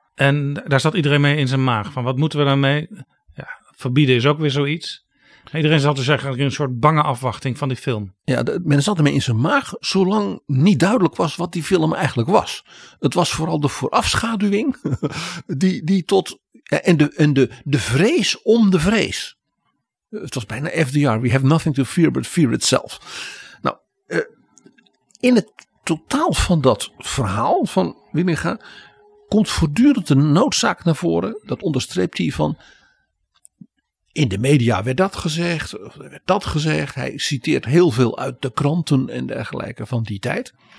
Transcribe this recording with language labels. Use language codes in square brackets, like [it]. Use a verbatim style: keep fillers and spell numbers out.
[nl] En daar zat iedereen mee in zijn maag. Van wat moeten we daarmee? Ja, verbieden is ook weer zoiets. Iedereen zat dus eigenlijk in een soort bange afwachting van die film. Ja, de, men zat ermee in zijn maag zolang niet duidelijk was wat die film eigenlijk was. Het was vooral de voorafschaduwing die, die tot, en, de, en de, de vrees om de vrees. Het was bijna [en] F D R, we have nothing to fear but fear itself. [nl] Nou, in het totaal van dat verhaal van Wielinga komt voortdurend de noodzaak naar voren. Dat onderstreept hij van, in de media werd dat gezegd, werd dat gezegd. Hij citeert heel veel uit de kranten en dergelijke van die tijd.